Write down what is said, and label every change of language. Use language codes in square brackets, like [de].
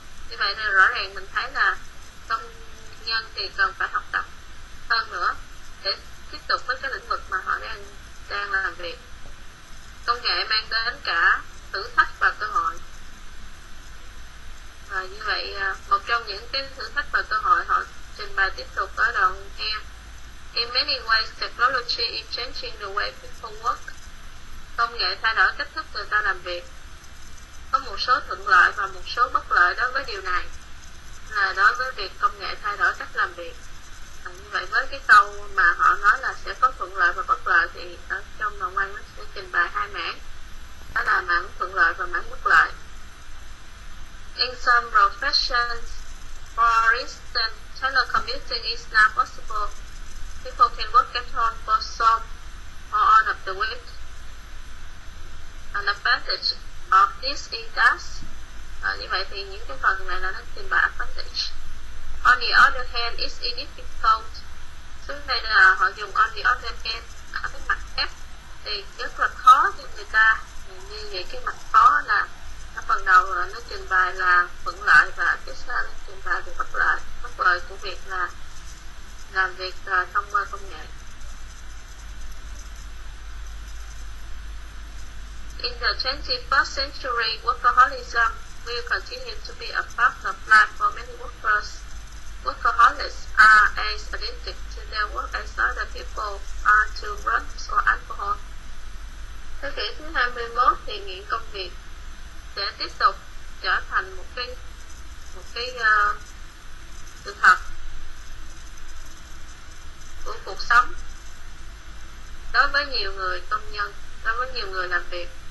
[vi] Như vậy là rõ ràng mình thấy là công nhân thì cần phải học tập hơn nữa để tiếp tục với cái lĩnh vực mà họ đang làm việc. Công nghệ mang đến cả thử thách và cơ hội. Và như vậy, một trong những cái thử thách và cơ hội họ trình bày tiếp tục ở đoạn em. [en] In many ways, technology is changing the way people work. [vi] Công nghệ thay đổi cách thức người ta làm việc. Có một số thuận lợi và một số bất lợi đối với điều này, là đối với việc công nghệ thay đổi cách làm việc. Như vậy với cái câu mà họ nói là sẽ có thuận lợi và bất lợi thì ở trong đoạn văn nó sẽ trình bày hai mảng, đó là mảng thuận lợi và mảng bất lợi. [en] In some professions, for instance, telecommuting is now possible. People can work at home for some or all of the week. An advantage of this is that, [vi] như vậy thì những cái phần này là nó trình bày advantage. [en] On the other hand, it's difficult. [vi] Xuống đây là họ dùng [en] on the other hand [vi] ở cái mặt F thì rất là khó cho người ta. Như vậy cái mặt khó là ở phần đầu là nó trình bày là thuận lợi và phía sau nó trình bày về bất lợi. Bất lợi của việc là làm việc thông qua công nghệ. [en] In the 21st century, workaholism will continue to be a part of life for many workers. Workaholics are as addicted to their work as other people are to drugs or alcohol. [vi] Thế kỷ thứ 21 thì nghiện công việc sẽ tiếp tục trở thành một cái sự thật của cuộc sống đối với nhiều người công nhân, đối với nhiều người làm việc.